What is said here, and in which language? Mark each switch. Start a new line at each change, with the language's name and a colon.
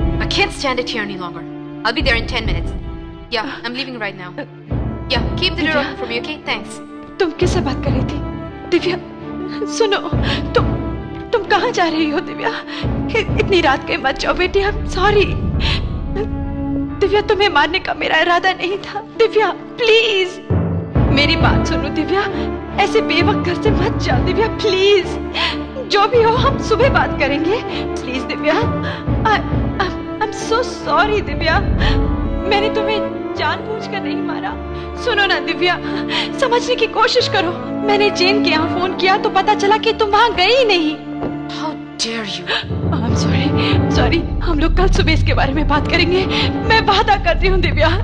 English: Can't stand it here any longer. I'll be there in 10 minutes. Yeah, I'm leaving right now. Yeah, keep the door open for me, okay? Thanks.
Hindi: तुम किससे बात कर रही थी? दिव्या, सुनो, तुम कहाँ जा रही हो दिव्या? इतनी रात के मत जाओ बेटी,
English: I'm sorry.
Hindi: दिव्या, तुम्हें मारने का मेरा इरादा नहीं था. दिव्या, please. मेरी बात सुनो दिव्या, ऐसे बेवक़्त घर से मत जाओ दिव्या, please. जो भी हो हम सुबह बात करेंगे.
English: Please Divya, I'm so sorry, Divya.
Hindi: मैंने तुम्हें जानबूझकर नहीं मारा. सुनो ना दिव्या, समझने की कोशिश करो. मैंने जेन के यहाँ फोन किया तो पता चला कि तुम वहाँ गई नहीं.
English: How dare you? I'm sorry.
Hindi: हम लोग कल सुबह इसके बारे में बात करेंगे. मैं वादा करती हूँ दिव्या.